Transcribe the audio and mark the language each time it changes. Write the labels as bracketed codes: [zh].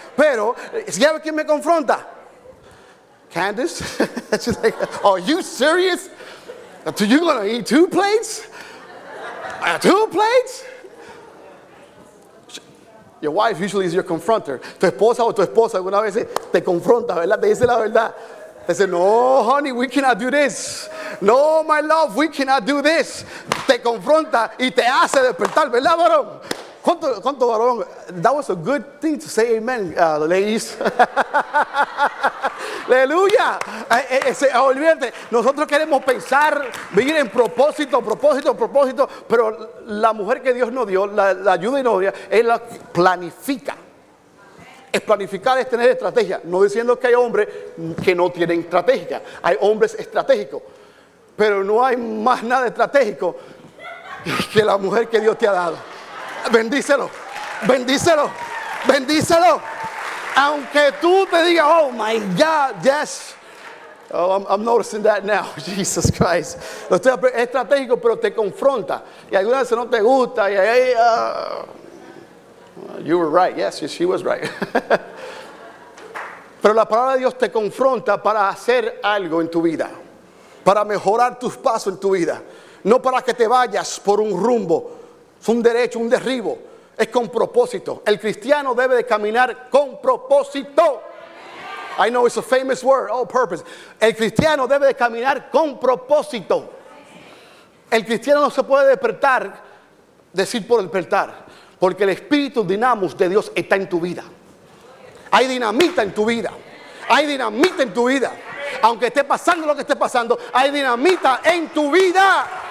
[es] Pero, ¿sabe quién me confronta? Candace. [en] She's like, are you serious? Are you going to eat two plates? Two plates? Your wife usually is your confronter. [es] Tu esposa o tu esposa alguna vez te confronta, ¿verdad? Te dice la verdad. Te dice, [en] no, honey, we cannot do this. No, my love, we cannot do this. [es] Te confronta y te hace despertar, ¿verdad, varón? ¿Cuánto varón? [en] That was a good thing to say amen, ladies. [es] ¡Aleluya! Olvídate, nosotros queremos pensar, vivir en propósito, propósito, propósito, pero la mujer que Dios nos dio, la ayuda y novia, es la que planifica. Es planificar, es tener estrategia. No diciendo que hay hombres que no tienen estrategia. Hay hombres estratégicos. Pero no hay más nada estratégico que la mujer que Dios te ha dado. Bendícelo. Bendícelo. Bendícelo. Aunque tú te digas, [en] oh my God, yes. Oh, I'm noticing that now. Jesus Christ. [es] Lo estoy estratégico, pero te confronta. Y algunas veces no te gusta. Y ahí. [en] You were right, yes, she was right. [es] Pero la palabra de Dios te confronta para hacer algo en tu vida, para mejorar tus pasos en tu vida, no para que te vayas por un rumbo, es un derecho, un derribo, es con propósito. El cristiano debe de caminar con propósito. [en] I know it's a famous word, oh, purpose. [es] El cristiano debe de caminar con propósito. El cristiano no se puede despertar, decir por despertar. Porque el espíritu dinamus de Dios está en tu vida. Hay dinamita en tu vida. Hay dinamita en tu vida. Aunque esté pasando lo que esté pasando, hay dinamita en tu vida.